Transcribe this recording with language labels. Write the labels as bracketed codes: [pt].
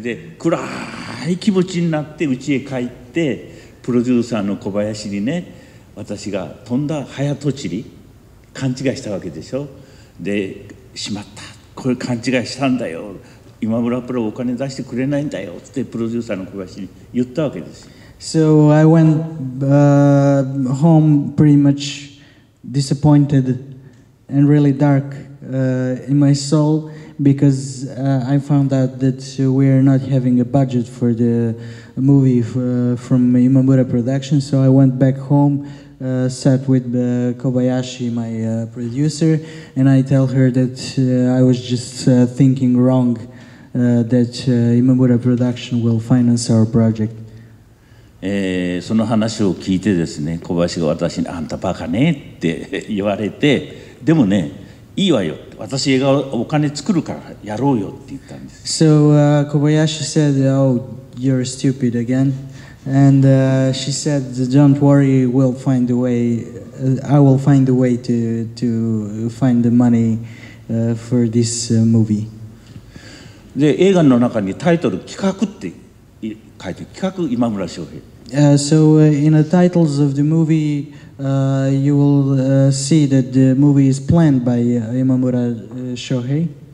[ja] で、暗い気持ちになって家へ帰って、プロデューサーの小林にね、私が飛んだ早とちり勘違いしたわけでしょ。で、しまった、これ勘違いしたんだよ、今村プロお金出してくれないんだよってプロデューサーの小林に言ったわけです。 [en] So I went home pretty much disappointed and really dark in my soul, because I found out that we are not having a budget for the movie from Imamura Productions. So I went back home, sat with Kobayashi, my producer, and I tell her that I was just thinking wrong, that Imamura Productions will finance our project. [ja] その話を聞いてですね、小林が私にあんたバカねって言われて、でもね、いいわよ、私映画お金作るからやろうよって言ったんです。 [en] So, Kobayashi said, oh, you're stupid again. And she said, don't worry, we'll find a way, I will find a way to find the money for this movie. [ja] で、映画の中にタイトル企画って書いて、企画今村翔平。 [en] So in the titles of the movie, you will see that the movie is planned by Imamura Shohei.